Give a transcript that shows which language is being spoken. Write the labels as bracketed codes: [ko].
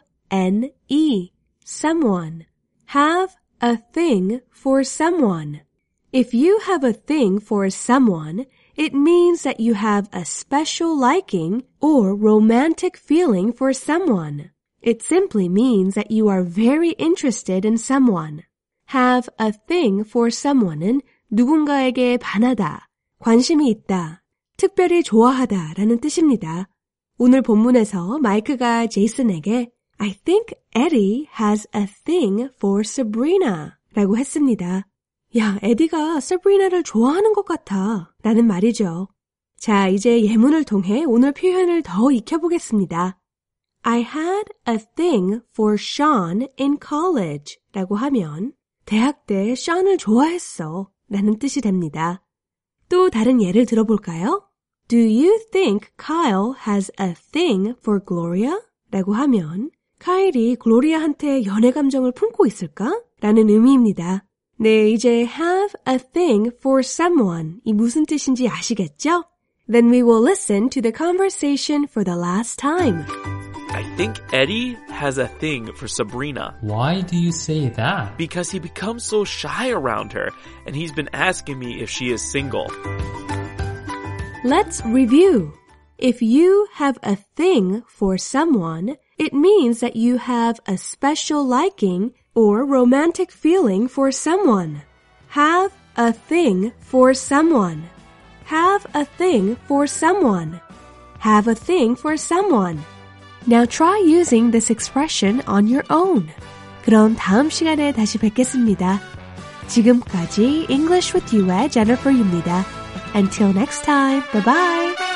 [en] N-E, someone. Have a thing for someone. If you have a thing for someone, it means that you have a special liking or romantic feeling for someone. It simply means that you are very interested in someone. Have a thing for someone [ko] 은 누군가에게 반하다, 관심이 있다, 특별히 좋아하다 라는 뜻입니다. 오늘 본문에서 마이크가 제이슨에게 [en] I think Eddie has a thing for Sabrina [ko] 라고 했습니다. 야, 에디가 Sabrina를 좋아하는 것 같아 라는 말이죠. 자, 이제 예문을 통해 오늘 표현을 더 익혀보겠습니다. [en] I had a thing for Sean in college [ko] 라고 하면 대학 때 Sean을 좋아했어 라는 뜻이 됩니다. 또 다른 예를 들어볼까요? [en] Do you think Kyle has a thing for Gloria? [ko] 라고 하면 카일이 글로리아한테 연애 감정을 품고 있을까? 라는 의미입니다. 네, 이제 [en] have a thing for someone [ko] 이 무슨 뜻인지 아시겠죠? [en] Then we will listen to the conversation for the last time. I think Eddie has a thing for Sabrina. Why do you say that? Because he becomes so shy around her and he's been asking me if she is single. Let's review. If you have a thing for someone, it means that you have a special liking or romantic feeling for someone. Have a thing for someone. Have a thing for someone. Have a thing for someone. Now try using this expression on your own. [ko] 그럼 다음 시간에 다시 뵙겠습니다. 지금까지 English with You의 Jennifer 유입니다. [en] Until next time, bye-bye!